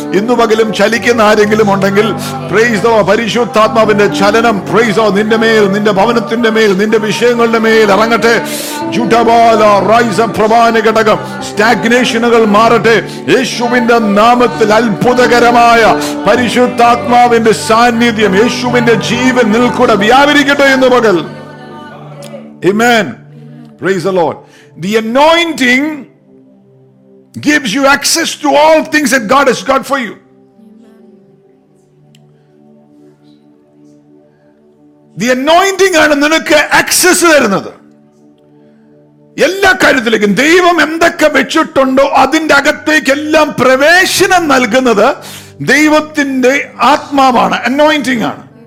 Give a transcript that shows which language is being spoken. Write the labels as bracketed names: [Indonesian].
[Malayalam] ഇന്നു പകലും ചലിക്കുന്ന ആരെങ്കിലും ഉണ്ടെങ്കിൽ പ്രൈസോ, പരിശുദ്ധാത്മാവിന്റെ ചലനം പ്രൈസോ നിന്റെ മേൽ, നിന്റെ ഭവനത്തിന്റെ മേൽ, നിന്റെ വിഷയങ്ങളുടെ മേൽ ഇറങ്ങട്ടെ. ജൂട്ടബാല റൈസ പ്രവാന ഘടകം. സ്റ്റാഗ്നേഷനുകൾ മാറട്ടെ. യേശുവിന്റെ നാമത്തിൽ അത്ഭുതകരമായ പരിശുദ്ധാത്മാവിന്റെ സാന്നിധ്യം, യേശുവിന്റെ ജീവൻ നിൽക്കൂടെ വ്യാപരിക്കട്ടെ ഇന്ന് പകൽ. [English] Amen. Praise the Lord. The anointing gives you access to all things that God has got for you. [Malayalam] The anointing ആണ് നിനക്ക് access തരുന്നത് എല്ലാ കാര്യത്തിലേക്കും. ദൈവം എന്തൊക്കെ വെച്ചിട്ടുണ്ടോ അതിന്റെ അകത്തേക്ക് എല്ലാം പ്രവേശനം നൽകുന്നത് ദൈവത്തിന്റെ ആത്മാവാണ്, അനോയിന്റിംഗ് ആണ്.